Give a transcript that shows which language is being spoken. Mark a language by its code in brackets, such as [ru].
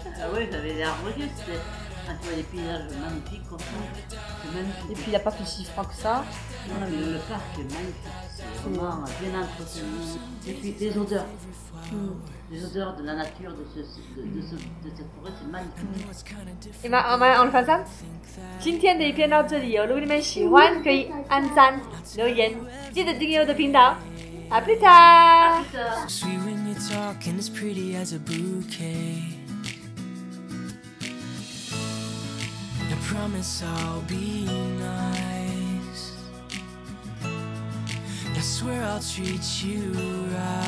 [fr] Ah oui, j'avais l'air heureux, c'était un des paysages magnifiques. C'est magnifique. Et puis, il n'y a pas plus si froid que ça. Non, mais le parc est magnifique. C'est vraiment bien entretenu. Et puis, les odeurs. Les odeurs de la nature de cette forêt, c'est magnifique. Et maintenant, on le fait ça? [zh] 今天的影片到这里哦，如果你们喜欢，可以按赞、留言，记得订阅我的频道。 [en] Happy time! Sweet when you talk and as pretty as a bouquet. I promise I'll be nice. I swear I'll treat you right.